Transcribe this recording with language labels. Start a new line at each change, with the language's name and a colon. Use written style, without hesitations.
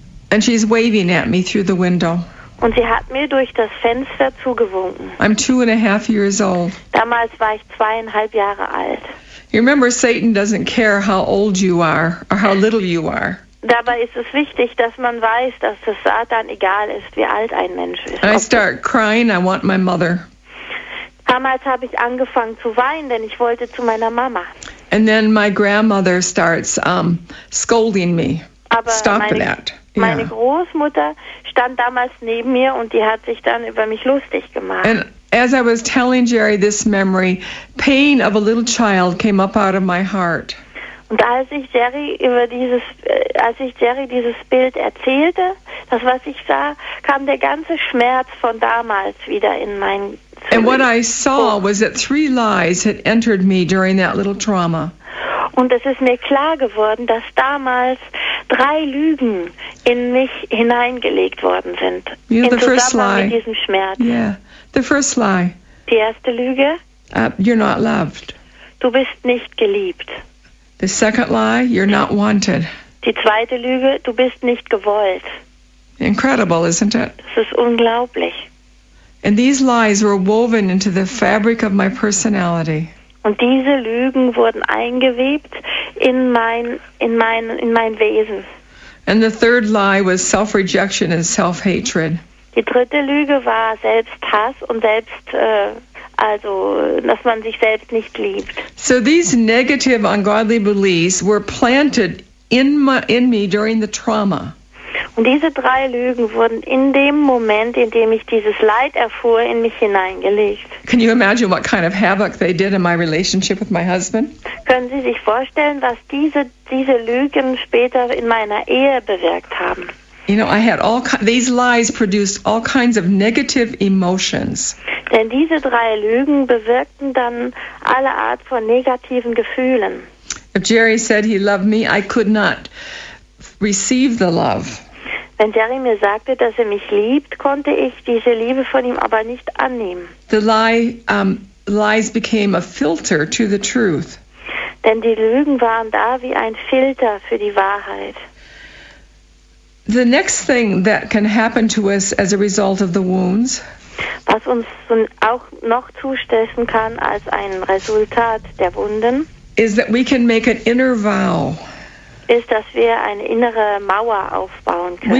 English: And she's waving at me through the window.
German: Und sie hat mir durch das Fenster zugewunken.
English: I'm 2.5 years old.
German: Damals war ich 2.5 Jahre alt.
English: You remember, Satan doesn't care how old you are or how little you are.
German: Dabei ist es wichtig, dass man weiß, dass es Satan egal ist, wie alt ein Mensch ist.
English: And I start crying, I want my mother.
German: Damals habe ich angefangen zu weinen, denn ich wollte zu meiner Mama.
English: And then my grandmother starts scolding me.
German: Aber
English: stop that.
German: Meine Großmutter stand damals neben mir und die hat sich dann über mich lustig gemacht.
English: And as I was telling Jerry this memory, pain of a little child came up out of my heart.
German: Und als ich Jerry dieses Bild erzählte, das was ich sah, kam der ganze Schmerz von damals wieder in mein Zurück.
English: And what I saw was that three lies had entered me during that little trauma.
German: Und es ist mir klar geworden, dass damals drei Lügen in mich hineingelegt worden sind.
English: You know, the first
German: lie. Mit diesem Schmerz.
English: Yeah, the first lie.
German: Die erste Lüge.
English: You're not loved.
German: Du bist nicht geliebt.
English: The second lie, you're not wanted.
German: Die zweite Lüge, du bist nicht gewollt.
English: Incredible, isn't it?
German: Das ist unglaublich.
English: And these lies were woven into the fabric of my personality.
German: Und diese Lügen wurden eingewebt in mein Wesen.
English: And the third lie was self-rejection and self-hatred.
German: Die dritte Lüge war Selbsthass und selbst also, dass man sich selbst nicht liebt.
English: So these negative ungodly beliefs were planted in me during the trauma.
German: Und diese drei Lügen wurden in dem Moment, in dem ich dieses Leid erfuhr, in mich hineingelegt.
English: Can you imagine what kind of havoc they did in my relationship with my husband?
German: Können Sie sich vorstellen, was diese Lügen später in meiner Ehe bewirkt haben?
English: You know, I had all these lies produced all kinds of negative emotions.
German: Denn diese drei Lügen bewirkten dann alle Art von negativen Gefühlen.
English: If Jerry said he loved me, I could not receive the love.
German: Wenn Jerry mir sagte, dass er mich liebt, konnte ich diese Liebe von ihm aber nicht annehmen.
English: The lie, lies became a filter to the truth.
German: Denn die Lügen waren da wie ein Filter für die Wahrheit.
English: The next thing that can happen to us as a result of the wounds,
German: was uns auch noch zustellen kann als ein Resultat der Wunden,
English: is that we can make an inner vow.
German: Ist, dass wir eine innere Mauer aufbauen können.